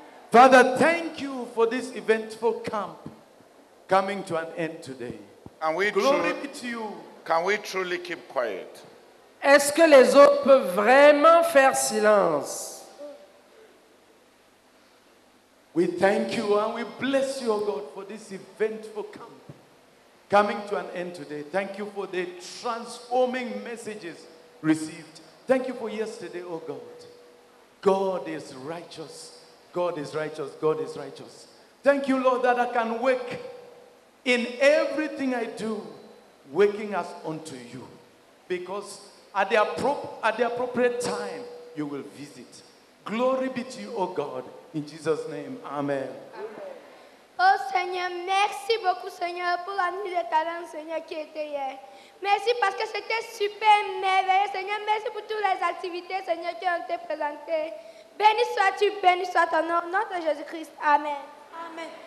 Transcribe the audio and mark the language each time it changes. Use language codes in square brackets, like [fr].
[en] Father, thank you for this eventful camp coming to an end today. Can we glory be to you. Can we truly keep quiet? [fr] Est-ce que les autres peuvent vraiment faire silence? [en] We thank you and we bless you, O God, for this eventful camp coming to an end today. Thank you for the transforming messages received. Thank you for yesterday, O God. God is righteous. God is righteous. God is righteous. Thank you, Lord, that I can work in everything I do, working us unto you. Because at the appropriate time, you will visit. Glory be to you, O God, in Jesus' name. Amen. Amen. [fr] Oh Seigneur, merci beaucoup Seigneur pour la nuit de talent, Seigneur, qui était hier. Merci parce que c'était super merveilleux, Seigneur. Merci pour toutes les activités, Seigneur, qui ont été présentées. Béni sois-tu, béni soit ton nom, notre Jésus-Christ. Amen. Amen.